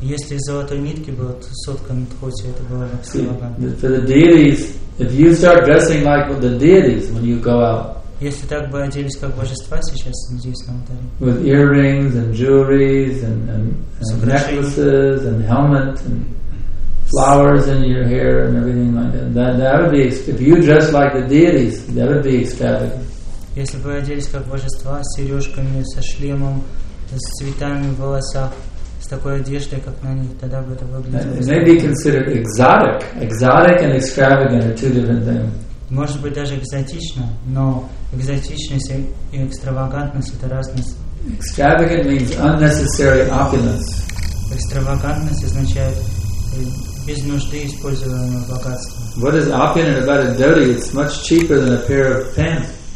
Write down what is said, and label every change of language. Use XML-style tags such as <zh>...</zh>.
<en>For the deities, if you start dressing like the deities when you go out, with earrings and jewelries and necklaces and helmet and flowers in your hair and everything like that. That would be, if you dress like the deities, that would be extravagant.</en> <ru>Если бы оделись как божества, с сережками, со шлемом, с цветами в волосах, с такой одеждой, как на них, тогда бы это выглядело.</ru> <en>It may be considered exotic. Exotic and extravagant are two different things.</en> <ru>Может быть даже экзотично, но экзотичность и экстравагантность это разница.</ru> <en>Extravagant means unnecessary opulence.</en> <ru>Экстравагантность означает без нужды использованного богатства.</ru> <en>What is opulent about a dhoti? It's much cheaper than a pair of pants.</en>